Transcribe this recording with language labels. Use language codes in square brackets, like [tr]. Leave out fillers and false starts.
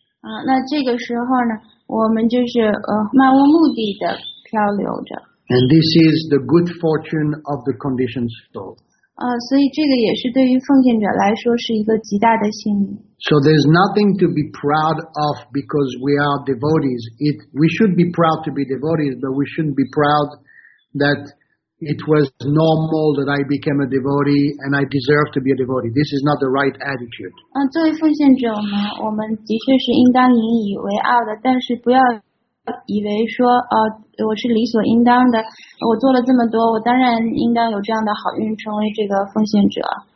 [zh] 啊，那这个时候呢，我们就是漫无目的的漂流着。 [en] And this is the good fortune of the conditioned soul. [zh] 啊，所以这个也是对于奉献者来说是一个极大的幸运。 [en] So there's nothing to be proud of because we are devotees. We should be proud to be devotees, but we shouldn't be proud that it was normal that I became a devotee and I deserve to be a devotee. This is not the right attitude. [zh] 啊，作为奉献者呢，我们的确是应当引以为傲的，但是不要以为说我是理所应当的，我做了这么多，我当然应当有这样的好运，成为这个奉献者。